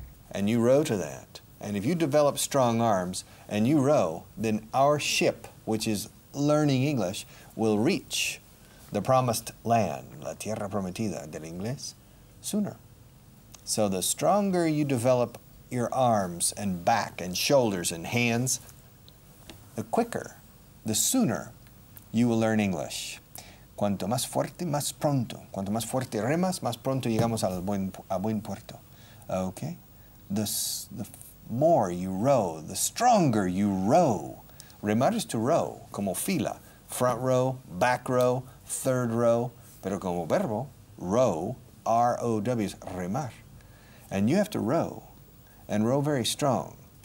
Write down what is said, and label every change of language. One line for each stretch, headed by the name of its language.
English: And you row to that. And if you develop strong arms and you row, then our ship, which is learning English, will reach the promised land,
Spanish: la tierra prometida del inglés,
English: sooner. So the stronger you develop your arms and back and shoulders and hands, the quicker, the sooner you will learn English.
Spanish: Cuanto más fuerte, más pronto. Cuanto más fuerte remas, más pronto llegamos a buen puerto.
English: Okay? The more you row, the stronger you row.
Spanish: Remar es
English: to row,
Spanish: como fila.
English: Front row, back row, third row.
Spanish: Pero como verbo,
English: row, R-O-W, is remar. And you have to row, and row very strong.